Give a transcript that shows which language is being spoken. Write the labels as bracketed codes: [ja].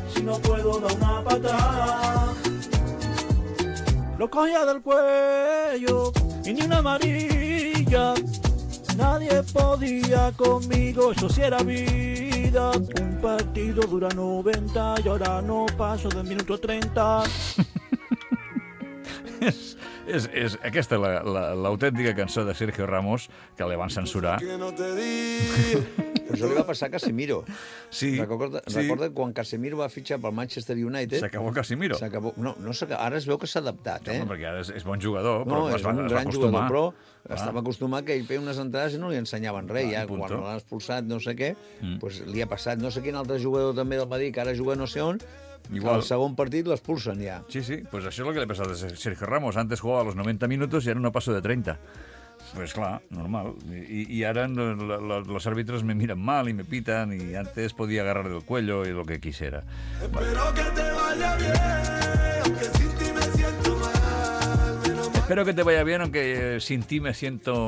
[es] No puedo dar una patada. Lo cogía del cuello y ni una amarilla. Nadie podía conmigo, eso sí era vida. Un partido dura 90 y ahora no paso del minuto 30. [ca] És aquesta és l'autèntica cançó de Sergio Ramos que li van censurar. Això li va passar a Casemiro. Sí, recorda quan Casemiro va fitxar pel Manchester United... S'acabó Casemiro. Ara es veu que s'ha adaptat. No, perquè ara és bon jugador. No, però és un gran jugador, però estava acostumat que ell feia unes entrades i no li ensenyaven res. Ja, quan l'han expulsat, no sé què, pues li ha passat. No sé quin altre jugador també del Madrid, que ara juga no sé on... Igual. El segon partit l'expulsen ja. Sí, sí, pues això és el que li ha passat a Sergio Ramos. Antes jugava a los 90 minuts i ara no passo de 30. Pues clar, normal. [es] I ara los árbitros me miren mal i me pitan i antes podia agarrar del cuello i lo que quisiera. Espero que te vaya bien. Espero que te vaya bien, aunque sin ti me siento...